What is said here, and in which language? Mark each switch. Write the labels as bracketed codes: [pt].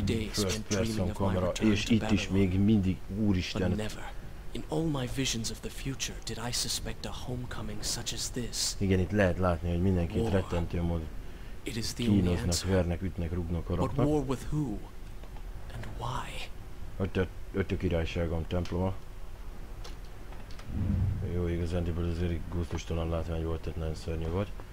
[hu] First person kamera, és itt is még mindig, úristen. [en] In all my visions of the future, did I suspect a homecoming such as this? [hu] Igen, itt lehet látni, hogy mindenkit rettentő módon kínoznak, vernek, ütnek, rúgnak a raknak. [en] But war with who? And why? [hu] Ott a királyságom temploma. Jó, igazándiból azért gusztustalan látvány volt, tehát nagyon szörnyű volt.